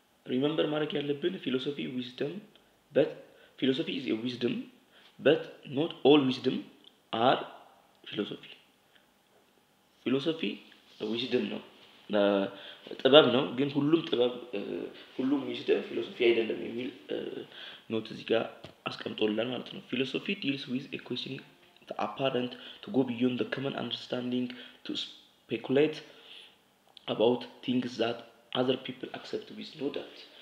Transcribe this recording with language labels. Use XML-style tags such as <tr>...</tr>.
<en>Remember ማድረግ ያለብን philosophy is a wisdom but not all wisdom are philosophy.</en> <am>philosophy wisdom ነው ጥበብ ነው ግን ሁሉም ጥበብ ሁሉም wisdom philosophy አይደለም የሚል ኖት እዚህ ጋር አስቀምጦልናል ማለት ነው.</am> <en>philosophy deals with a questioning the apparent to go beyond the common understanding to speculate about things that other people accept with no doubt.</en>